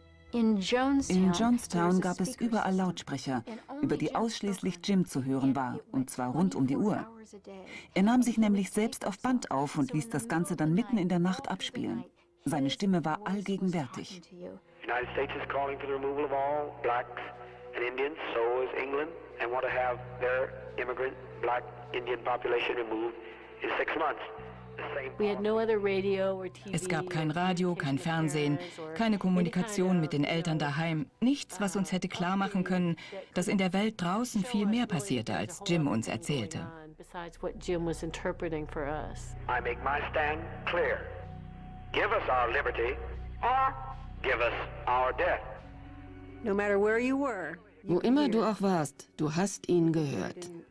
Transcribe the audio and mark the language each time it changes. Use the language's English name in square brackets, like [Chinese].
[German] In Jonestown gab es überall Lautsprecher, über die ausschließlich Jim zu hören war, und zwar rund um die Uhr. Er nahm sich nämlich selbst auf Band auf und ließ das Ganze dann mitten in der Nacht abspielen. Seine Stimme war allgegenwärtig. [English] United States is calling for the removal of all blacks and Indians, so is England, and want to have their immigrant black Indian population removed in 6 months. [German] Es gab kein Radio, kein Fernsehen, keine Kommunikation mit den Eltern daheim. Nichts, was uns hätte klarmachen können, dass in der Welt draußen viel mehr passierte, als Jim uns erzählte. Wo immer du auch warst, du hast ihn gehört.